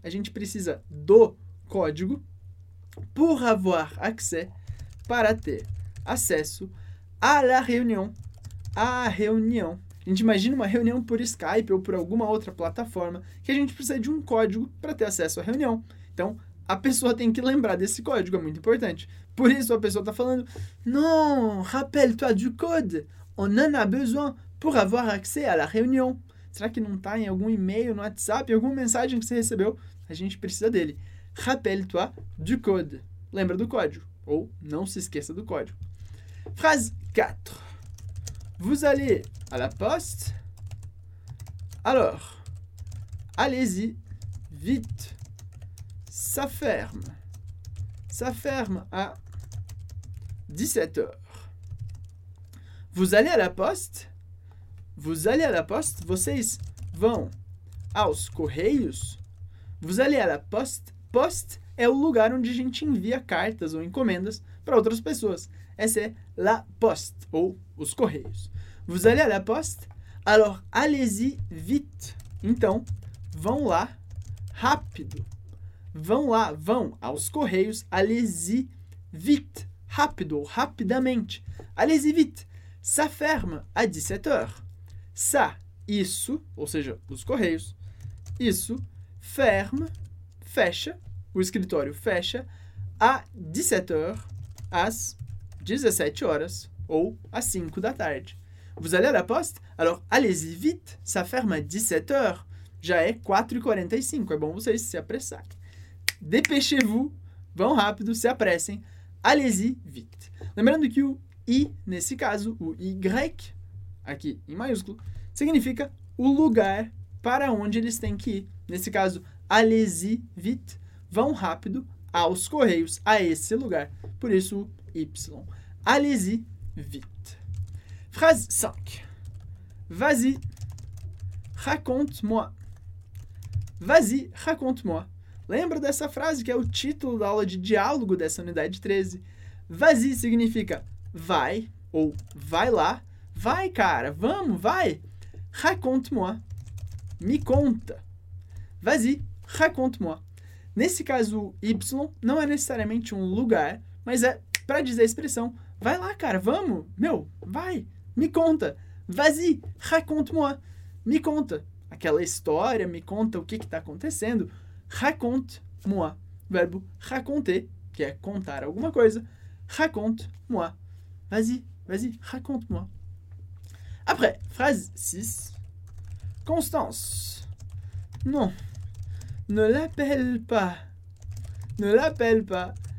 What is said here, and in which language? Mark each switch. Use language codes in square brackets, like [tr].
[pt] A gente precisa do código. [fr] Pour avoir accès. [pt] Para ter acesso [fr] à la réunion. [pt] À réunion. A gente imagina uma reunião por Skype ou por alguma outra plataforma que a gente precisa de um código para ter acesso à reunião. Então, a pessoa tem que lembrar desse código, é muito importante. Por isso, a pessoa está falando, [fr] non, rappelle-toi du code, on en a besoin pour avoir accès à la réunion. [pt] Será que não está em algum e-mail, no WhatsApp, em alguma mensagem que você recebeu? A gente precisa dele. [fr] Rappelle-toi du code. [pt] Lembra do código. Ou, não se esqueça do código. Frase 4. [fr] Vous allez à la poste, alors allez-y vite, ça ferme. Ça ferme à 17h. Vous allez à la poste, vous allez à la poste, [pt] vocês vão aos correios. [fr] Vous allez à la poste, [pt] poste é o lugar onde a gente envia cartas ou encomendas para outras pessoas. Essa é [fr] la poste, [pt] ou os correios. [fr] Vous allez à la poste? Alors, allez-y vite. [pt] Então, vão lá, rápido. Vão lá, vão aos correios, [fr] allez-y vite, [pt] rápido ou rapidamente. [fr] Allez-y vite, ça ferme à 17 heures. [pt] Ça, isso, ou seja, os correios, isso, ferme, fecha, o escritório fecha, [fr] à 17 heures, [pt] às 17 horas ou às 5 da tarde. [fr] Vous allez à la poste? Alors, allez-y vite, ça ferme à 17 heures. [pt] Já é 4h45, é bom vocês se apressarem. [fr] Dépêchez-vous, [pt] vão rápido, se apressem, [fr] allez-y vite. [pt] Lembrando que o I, nesse caso, o Y, aqui em maiúsculo, significa o lugar para onde eles têm que ir. Nesse caso, [fr] allez-y vite, [pt] vão rápido aos correios, a esse lugar. Por isso, o Y, [fr] allez-y vite. Phrase 5. Vas-y, raconte-moi. Vas-y, raconte-moi. [pt] Lembra dessa frase que é o título da aula de diálogo dessa unidade 13? Vas-y significa vai ou vai lá. Vai, cara, vamos, vai. [fr] Raconte-moi, [pt] me conta. [fr] Vas-y, raconte-moi. [pt] Nesse caso, Y não é necessariamente um lugar, mas é para dizer a expressão vai lá, cara, vamos, meu, vai, me conta. [fr] Vas-y, raconte-moi, [pt] me conta. Aquela história, me conta o que está acontecendo. [fr] Raconte-moi, [pt] verbo raconter, que é contar alguma coisa. [fr] Raconte-moi, vas-y, vas-y, raconte-moi. Après, phrase 6. Constance, non, ne l'appelle pas, ne l'appelle pas.